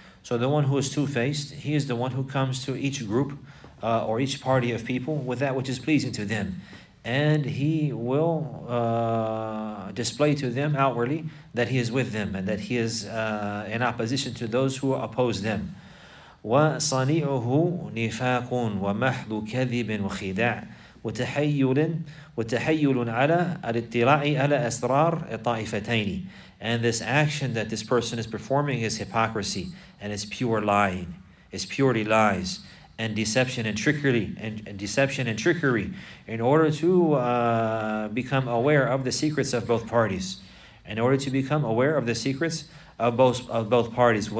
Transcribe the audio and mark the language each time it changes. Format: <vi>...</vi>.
<en>So the one who is two-faced, he is the one who comes to each group or each party of people with that which is pleasing to them. And he will display to them outwardly that he is with them and that he is in opposition to those who oppose them.</en> <ar>وَصَنِيعُهُ نِفَاقٌ وَمَحْضُ كَذِبٍ وَخِدَاعٍ وتحيل على الاطلاع على أسرار الطائفتين.</ar> <en>And this action that this person is performing is hypocrisy, and it's pure lying, it's purely lies and deception and trickery, and deception and trickery, in order to become aware of the secrets of both parties, in order to become aware of the secrets of both parties.</en>